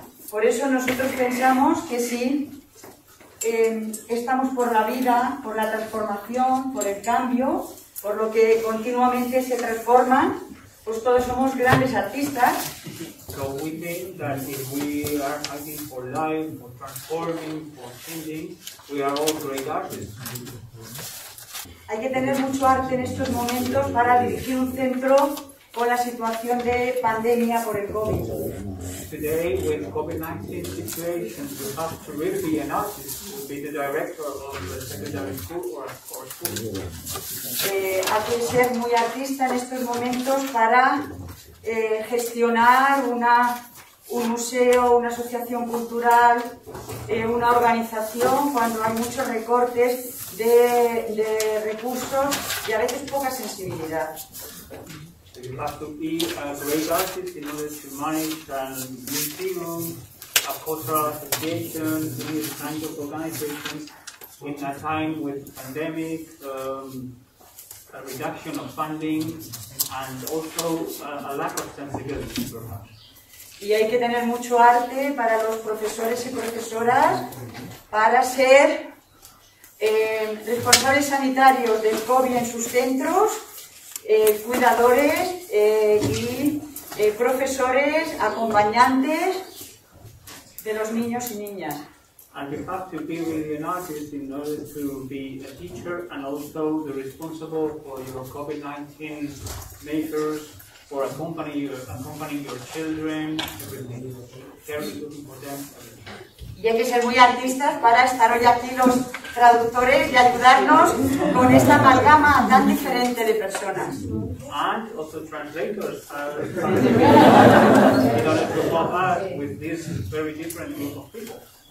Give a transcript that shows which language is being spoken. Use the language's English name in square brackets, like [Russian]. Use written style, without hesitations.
[Spanish] Por eso nosotros pensamos que sí, estamos por la vida, por la transformación, por el cambio, por lo que continuamente se transforma, pues todos somos grandes artistas. [English] So we think that if we are fighting for life, for transforming, for changing, we are all great artists. [Spanish] Hay que tener mucho arte en estos momentos para dirigir un centro con la situación de pandemia por el COVID. [English] Today, with COVID-19 situation, we have to really be an artist to be the director of the secondary school or for school. [Spanish] Hay que ser muy artista en estos momentos para gestionar un museo, una asociación cultural, una organización, cuando hay muchos recortes de recursos y a veces poca sensibilidad. [English] You have to be a great artist in order to manage a museum, a cultural association, various kinds of organizations in a time with pandemic, a reduction of funding, and also a lack of sensibility, perhaps. [Spanish] Y hay que tener mucho arte para los profesores y profesoras para ser responsables sanitarios del COVID en sus centros, cuidadores y profesores, acompañantes de los niños y niñas. [English] And you have to be really an artist in order to be a teacher and also the responsible for your COVID-19 measures, for accompanying your children, caring for them. [Spanish] Y hay que ser muy artistas para estar hoy aquí los traductores y ayudarnos con esta amalgama tan diferente de personas. [English] And also translators are in order to help us with this very different group of people.